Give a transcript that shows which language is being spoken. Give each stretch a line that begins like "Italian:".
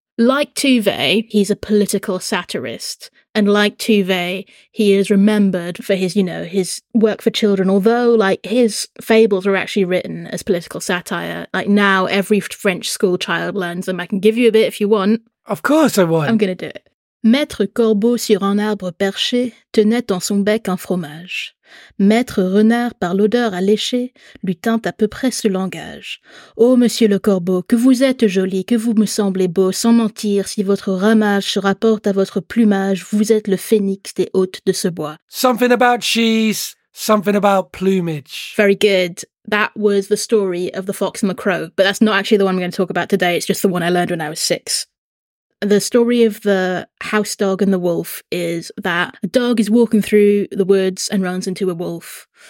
English: Like Touvet, he's a political satirist, and like Touvet, he is remembered for his, you know, his work for children. Although, like, his fables were actually written as political satire. Like, now every French school child learns them. I can give you a bit if you want. Of course I want. I'm going to do it.
French: Maître Corbeau sur un arbre perché tenait en son bec un fromage. Maître Renard, par l'odeur alléché, lui tint à peu près ce langage. Ô monsieur le corbeau, que vous êtes joli, que vous me semblez beau, sans mentir, si votre ramage se rapporte à votre plumage, vous êtes le phénix des hôtes de ce bois.
English: Something about cheese, something about plumage. Very good. That was the story of the fox and the crow, but that's not actually the one we're going to talk about today, it's just the one I learned when I was six. The story of the house dog and the wolf is that a dog is walking through the woods and runs into a wolf.